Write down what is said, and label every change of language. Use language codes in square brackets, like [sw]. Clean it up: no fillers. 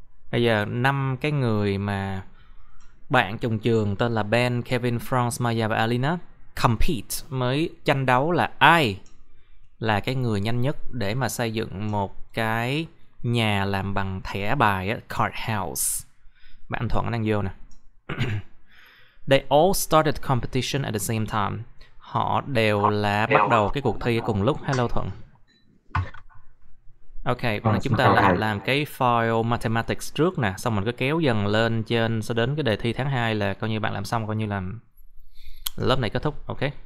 [vi] Bây giờ năm cái người mà bạn chung trường tên là Ben, Kevin, Franz, Maya và Alina compete, mới tranh đấu là ai là cái người nhanh nhất để mà xây dựng một cái nhà làm bằng thẻ bài á, card house. Bạn Thuận đang vô nè. [en] They all started competition at the same time. [vi] Họ đều là bắt đầu cái cuộc thi cùng lúc. [en] Hello [vi] Thuận. Ok, bây giờ chúng ta lại làm cái file mathematics trước nè, xong mình cứ kéo dần lên trên, sau đến cái đề thi tháng 2 là coi như bạn làm xong, coi như là lớp này kết thúc, ok.